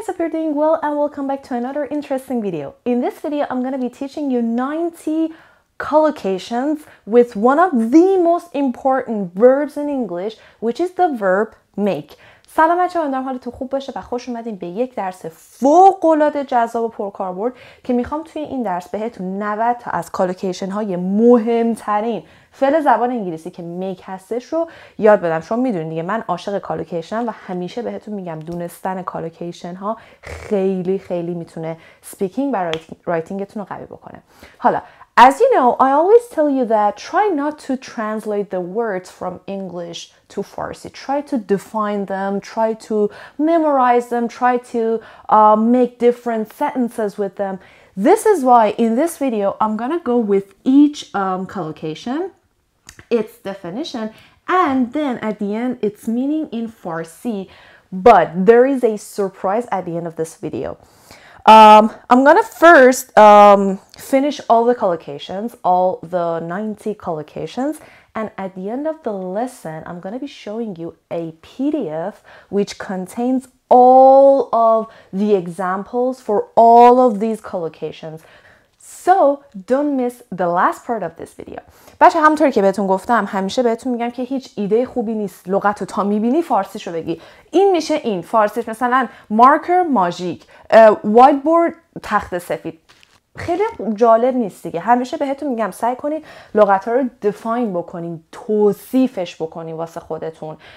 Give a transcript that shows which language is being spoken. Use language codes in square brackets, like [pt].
[en] doing well and welcome back to another interesting video. In this video, I'm going to be teaching you 90 collocations with one of the most important verbs in English, which is the verb make. [fa] سلام بچه‌ها، امیدوارم حالتون خوب باشه و خوش اومدین به یک درس فوق‌العاده جذاب و پرکاربرد که میخوام توی این درس بهتون 90 تا از کالوکیشن های مهمترین فعل زبان انگلیسی که میک هستش رو یاد بدم. شما میدونین دیگه من عاشق کالوکیشنم و همیشه بهتون میگم دونستن کالوکیشن ها خیلی خیلی میتونه سپیکینگ و رایتینگتون رو قوی بکنه. [en] حالا As you know, I always tell you that try not to translate the words from English to Farsi. Try to define them, try to memorize them, try to make different sentences with them. This is why in this video, I'm gonna go with each collocation, its definition, and then at the end, its meaning in Farsi. But there is a surprise at the end of this video. I'm gonna first finish all the collocations, all the 90 collocations, and at the end of the lesson, I'm gonna be showing you a PDF which contains all of the examples for all of these collocations. So don't miss the last part of this video. [fa] بچه همونطوری که بهتون گفتم همیشه بهتون میگم که هیچ ایده خوبی نیست لغت رو تا میبینی فارسیش رو بگی. این میشه این فارسیش، مثلا مارکر ماژیک، وایتبورد تخت سفید. خیلی جالب نیست دیگه. همیشه بهتون میگم سعی کنید لغت ها رو دیفاین بکنین، توصیفش بکنین واسه خودتون.